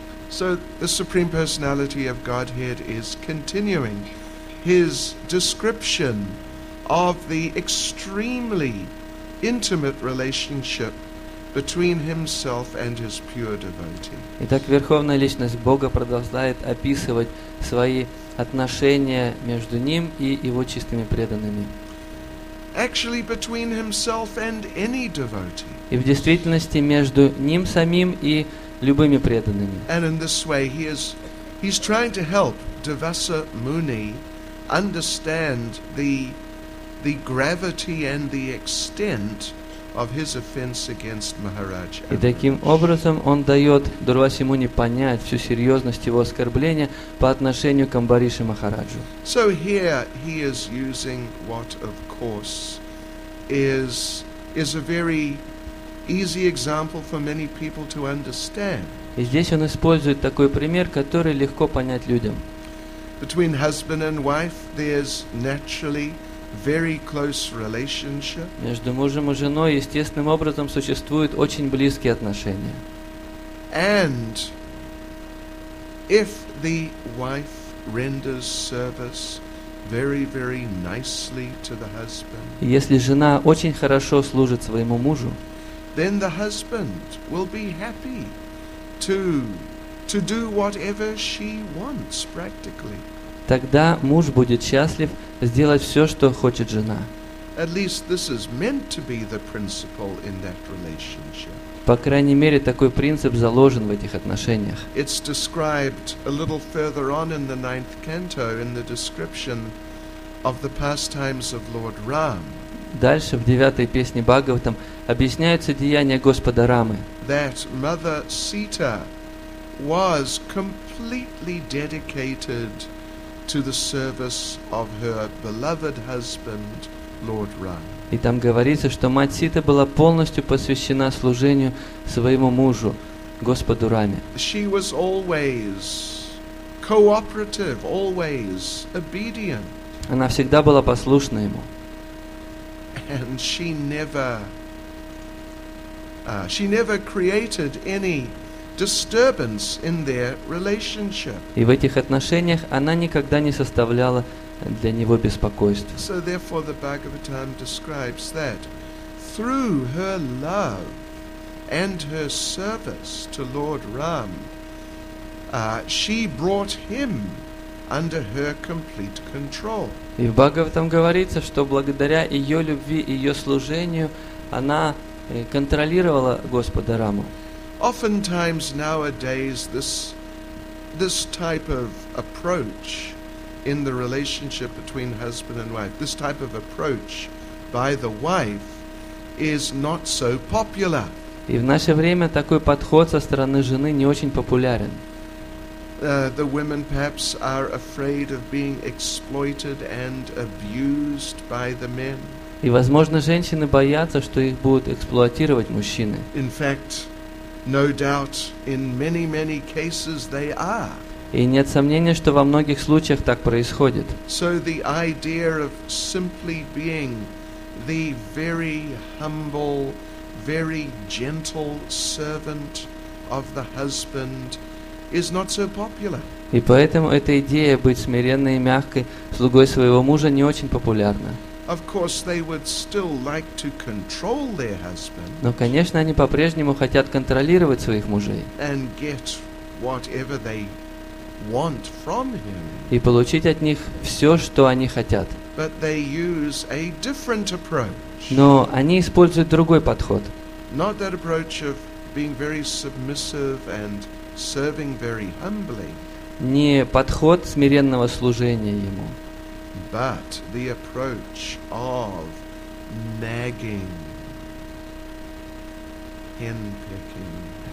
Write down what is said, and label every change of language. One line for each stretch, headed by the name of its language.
English: So the Supreme Personality of Godhead is continuing his description of the extremely intimate relationship between himself and his pure devotee.
Russian: Итак, Верховная Личность Бога продолжает описывать свои отношения между ним и его чистыми преданными.
English: Actually, between himself and any devotee.
Russian: И в действительности между ним самим и любыми преданными.
English: And in this way he's trying to help Devasa Muni understand the gravity and the extent of his offense against Maharaj.
Russian: И таким образом он дает Дурвасе Муни понять всю серьезность его оскорбления по отношению к Амбарише Махараджу.
English: So here he is using what, of course, is a very easy example for many people to understand.
Russian: И здесь он использует такой пример, который легко понять людям.
English: Between husband and wife, there's naturally very close relationship.
Russian: Между мужем и женой естественным образом существуют очень близкие отношения.
English: And if the wife renders service very, very nicely to the husband,
Russian: если жена очень хорошо служит своему мужу,
English: then the husband will be happy to do whatever she wants practically.
Russian: Тогда муж будет счастлив сделать все, что хочет жена.
English: At least this is meant to be the principle in that relationship.
Russian: По крайней мере, такой принцип заложен в этих отношениях.
English: It's described a little further on in the ninth canto in the description of the pastimes of Lord Ram.
Russian: Дальше в девятой песне Бхагаватам объясняются деяния Господа Рамы.
English: That Mother Sita was completely dedicated to the service of her beloved husband, Lord Ram.
Russian: И там говорится, что мать Сита была полностью посвящена служению своему мужу, Господу Раме.
English: She was always cooperative, always obedient.
Russian: Она всегда была послушна ему.
English: And she never created any disturbance in their relationship.
Russian: И в этих отношениях она никогда не составляла для него беспокойств.
English: So therefore the Bhagavatam describes that through her love and her service to Lord Ram, she brought him under her complete control.
Russian: И в Бхагаватам говорится, что благодаря ее любви и ее служению она контролировала Господа Раму.
English: Oftentimes nowadays this type of approach in the relationship between husband and wife, this type of approach by the wife is not so popular.
Russian: И в наше время такой подход со стороны жены не очень популярен.
English: The women perhaps are afraid of being exploited and abused by the men.
Russian: И возможно, женщины боятся, что их будут эксплуатировать мужчины.
English: In fact, no doubt, in many, many cases they are.
Russian: И нет сомнения, что во многих случаях так происходит.
English: So the idea of simply being the very humble, very gentle servant of the husband is not so popular.
Russian: И поэтому эта идея быть смиренной и мягкой слугой своего мужа не очень популярна.
English: Of course, they would still like to control their husband.
Russian: Но, конечно, они по-прежнему хотят контролировать своих мужей.
English: And get whatever they want from him.
Russian: И получить от них все, что они хотят.
English: But they use a different approach.
Russian: Но они используют другой подход.
English: Not that approach of being very submissive and serving very humbly.
Russian: Не подход смиренного служения ему.
English: But the approach of nagging, hen-pecking.